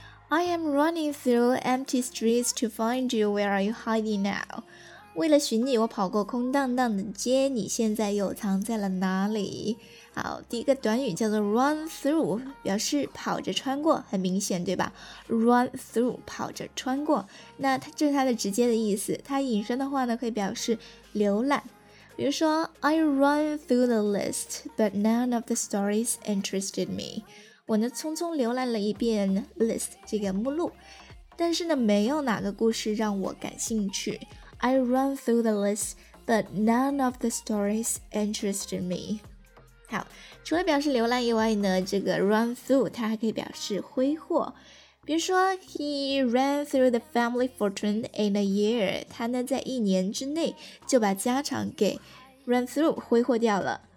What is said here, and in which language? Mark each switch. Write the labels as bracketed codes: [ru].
[en] I am running through empty streets to find you. Where are you hiding now? [zh] 为了寻你，我跑过空荡荡的街，你现在又藏在了哪里？好，第一个短语叫做 [en] run through, [zh] 表示跑着穿过，很明显对吧？ [en] run through, [zh] 跑着穿过，那它这是它的直接的意思，它引申的话呢可以表示浏览。比如说 [en] I run through the list, but none of the stories interested me. [zh] 我呢匆匆浏览了一遍 list 这个目录，但是呢，没有哪个故事让我感兴趣。 [en] I run through the list, but none of the stories interested me. [zh] 好，除了表示浏览以外呢，这个 [en] run through [zh] 它还可以表示挥霍。比如说 , [en] he ran through the family fortune in a year, [zh] 他呢在一年之内就把家产给 [en] run through, [zh] 挥霍掉了。